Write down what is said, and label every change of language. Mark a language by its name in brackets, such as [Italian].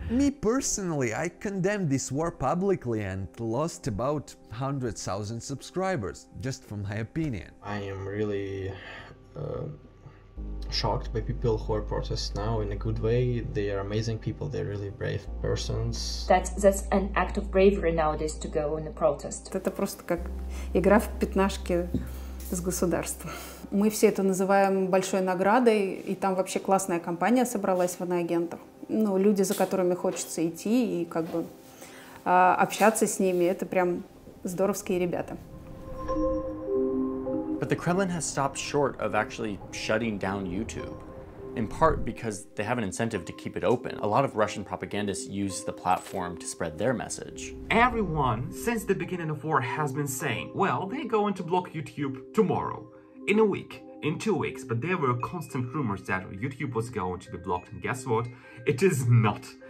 [English] Me personally, I condemned this war publicly and lost about 100,000 subscribers, just for my opinion. I am really shocked by people who are protesting now in a good way. They are amazing people, they're really brave persons. That's an act of bravery nowadays to go in a protest. [Russian] Это просто как игра в пятнашки с государством. Мы все это называем большой наградой, и там вообще классная компания собралась в иноагентах. Ну, люди, за которыми хочется идти и как бы общаться с ними, это прям здоровские ребята. [English] But the Kremlin has stopped short of actually shutting down YouTube, in part because they have an incentive to keep it open. A lot of Russian propagandists use the platform to spread their message. Everyone since the beginning of war has been saying, well, they're going to block YouTube tomorrow, in a week, in 2 weeks, but there were constant rumors that YouTube was going to be blocked, and guess what? It is not.